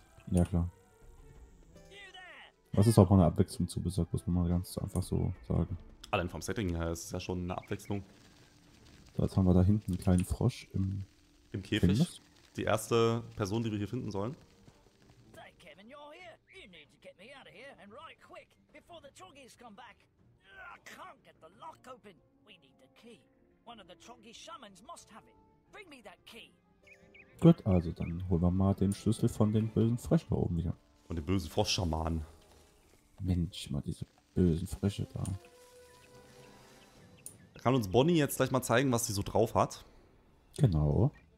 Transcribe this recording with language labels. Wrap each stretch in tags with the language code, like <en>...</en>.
<de>Ja, klar. Das ist auch mal eine Abwechslung zu Wizard, muss man mal ganz einfach so sagen. Allein vom Setting her ist es ja schon eine Abwechslung. So, jetzt haben wir da hinten einen kleinen Frosch im... im Käfig. Fingers. Die erste Person, die wir hier finden sollen.</de> <en>Hey Kevin, you're here. You need to get me out of here and right quick, before the Troggies come back. I can't get the lock open. We need the key. One of the Troggy Shamans must have it. Bring me that key.</en> <de>Gut, also dann holen wir mal den Schlüssel von dem bösen Frosch da oben wieder. Von dem bösen Froschschaman. Mensch, mal diese bösen Frösche da. Kann uns Bonnie jetzt gleich mal zeigen, was sie so drauf hat? Genau.</de>